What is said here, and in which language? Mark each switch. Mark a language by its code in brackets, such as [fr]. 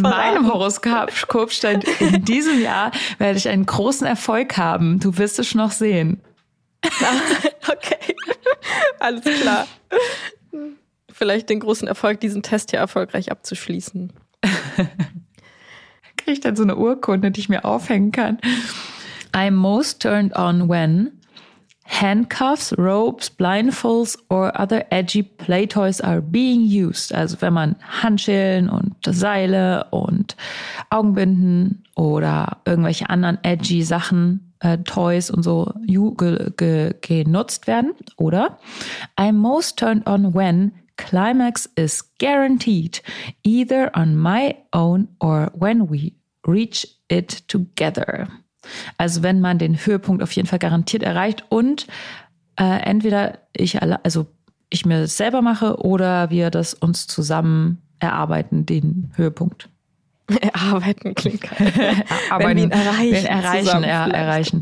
[de] meinem Horoskop stand, in diesem Jahr werde ich einen großen Erfolg haben. Du wirst es noch sehen. Okay. Alles klar. Vielleicht den großen Erfolg, diesen Test hier erfolgreich abzuschließen. Kriege ich dann so eine Urkunde, die ich mir aufhängen kann? [en] I'm most turned on when handcuffs, ropes, blindfolds or other edgy play toys are being used. [de] Also wenn man Handschellen und Seile und Augenbinden oder irgendwelche anderen edgy Sachen, Toys und so genutzt werden, oder? [en] I'm most turned on when climax is guaranteed, either on my own or when we reach it together. [de] Also wenn man den Höhepunkt auf jeden Fall garantiert erreicht und entweder ich mir das selber mache oder wir das uns zusammen erarbeiten, den Höhepunkt. Erarbeiten klingt geil. Wenn wir ihn erreichen.